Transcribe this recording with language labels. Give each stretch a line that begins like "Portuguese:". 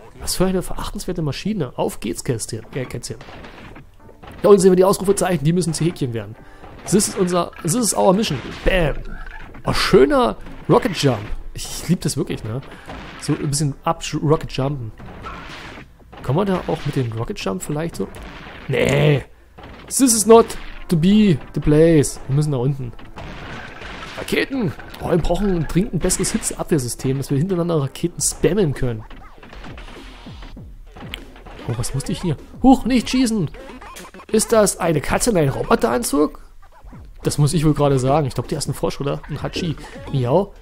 German: Was für eine verachtenswerte Maschine. Auf geht's, Kätzchen. Da unten sehen wir die Ausrufezeichen, die müssen zu Häkchen werden.
English: This is our mission. Bam.
German: Oh, schöner
English: Rocket Jump.
German: Ich liebe das wirklich, ne? So ein bisschen ab Rocket Jumpen. Kann man da auch mit dem Rocket Jump vielleicht so? Nee.
English: This is not to be the place.
German: Wir müssen da unten. Raketen. Oh, wir brauchen dringend ein besseres Hitzeabwehrsystem, dass wir hintereinander Raketen spammen können. Oh, was musste ich hier? Huch, nicht schießen. Ist das eine Katze in einem Roboteranzug? Das muss ich wohl gerade sagen. Ich glaube, die ist ein Frosch, oder? Ein Hachi. Miau.